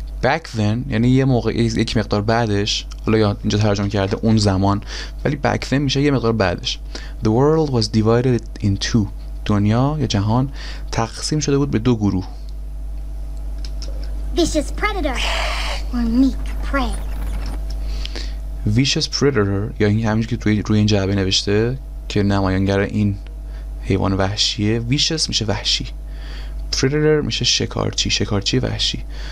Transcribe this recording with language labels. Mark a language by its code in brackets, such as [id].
[fa] back then یعنی یه موقع یک مقدار بعدش، حالا یا اینجا ترجمه کرده اون زمان، ولی back then میشه یه مقدار بعدش. [en] The world was divided in two. [fa] دنیا یا جهان تقسیم شده بود به دو گروه. [en] Vicious predator or meek prey. [fa] Vicious predator یا این همینجور که روی این جعبه نوشته که نمایانگر این حیوان وحشیه، vicious میشه وحشی، predator میشه شکارچی، شکارچی وحشی.